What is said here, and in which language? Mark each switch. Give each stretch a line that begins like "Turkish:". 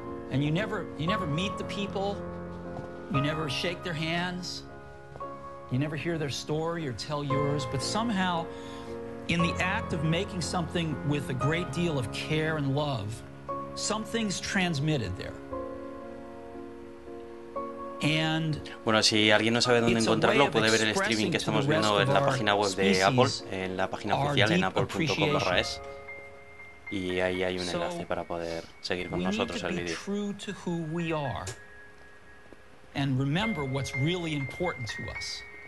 English: And you never meet the people, you never shake their hands, you never hear their story or tell yours, but somehow in the act of making something with a great deal of care and love, something's transmitted there.
Spanish: Bueno, si alguien no sabe dónde encontrarlo, puede ver el streaming que estamos viendo en la página web de Apple, en la página oficial, en apple.com/es. Y ahí hay un enlace para poder seguir con nosotros el vídeo.
English: True to who we are and remember what's really important to us.